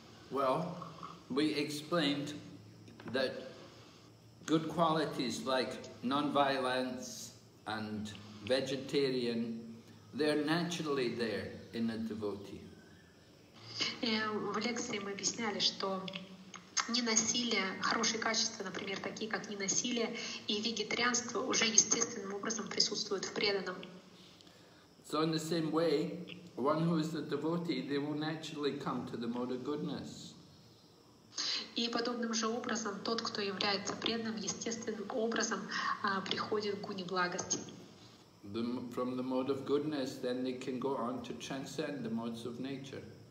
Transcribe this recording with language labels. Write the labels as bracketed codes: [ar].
[en] Well, we explained that good qualities like non-violence and vegetarian, they're naturally there in a devotee. [ru] В лекции мы объясняли, что ненасилие, хорошие качества, например, такие как ненасилие и вегетарианство уже естественным образом присутствуют в преданном. [en] So in the same way, one who is a devotee, they will naturally come to the mode of goodness. [ru] И подобным же образом тот, кто является преданным, естественным образом приходит к гуне благости. [en] From the mode of goodness, then they can go on to transcend the modes of nature.